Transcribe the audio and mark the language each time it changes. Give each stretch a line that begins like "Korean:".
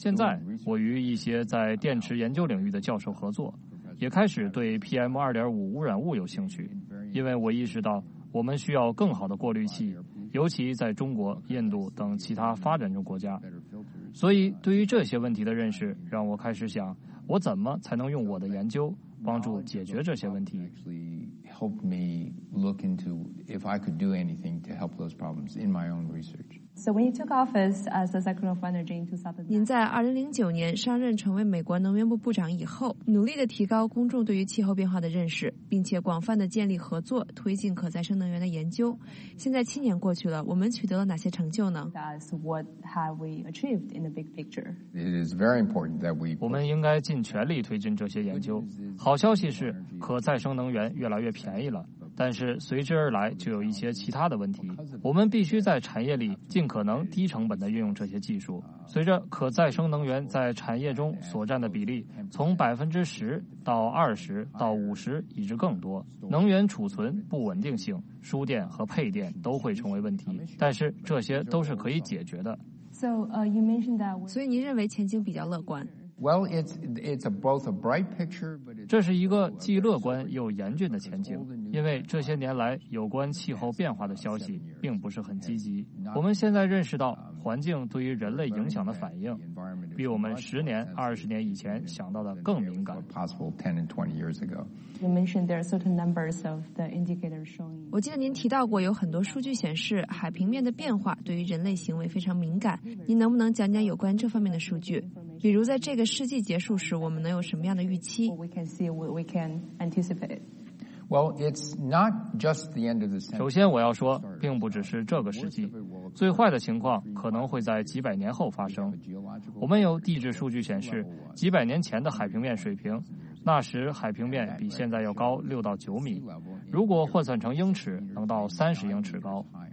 Chinese: 现在我与一些在电池研究领域的教授合作，也开始对 PM 2.5 污染物有兴趣，因为我意识到我们需要更好的过滤器，尤其在中国、印度等其他发展中国家。所以，对于这些问题的认识，让我开始想，我怎么才能用我的研究帮助解决这些问题。
English: Actually helped me look into if I could do anything to help those problems in my own research. So when you took office as the Secretary of Energy in 2009,
Chinese: 您在2009年上任成为美国能源部部长以后，努力地提高公众对于气候变化的认识，并且广泛地建立合作，推进可再生能源的研究。现在七年过去了，我们取得了哪些成就呢？
English: That's what have we achieved in the big picture. It is very important that we.
Chinese: 我们应该尽全力推进这些研究。好消息是，可再生能源越来越便宜了。但是随之而来就有一些其他的问题，我们必须在产业里尽可能低成本地运用这些技术。随着可再生能源在产业中所占的比例从10%到20%到50%以至更多，能源储存不稳定性、输电和配电都会成为问题，但是这些都是可以解决的。所以您认为前景比较乐观？
English: Well, it's both a bright picture, but it's
Chinese: 这是一个既乐观又严峻的前景，因为这些年来有关气候变化的消息并不是很积极。我们现在认识到环境对于人类影响的反应，比我们10年、20年以前想到的更敏感。
English: Possible 10 and 20 years ago. You mentioned there are certain numbers of the indicators showing.
Chinese: 我记得您提到过有很多数据显示海平面的变化对于人类行为非常敏感。您能不能讲讲有关这方面的数据？比如在这个世纪结束时，我们能有什么样的预期
English: ？We can see what we can anticipate. Well, it's not just the end of the century.
Chinese: 首先，我要说，并不只是这个世纪，最坏的情况可能会在几百年后发生。我们有地质数据显示，几百年前的海平面水平，那时海平面比现在要高6到9米，如果换算成英尺，能到30英尺高。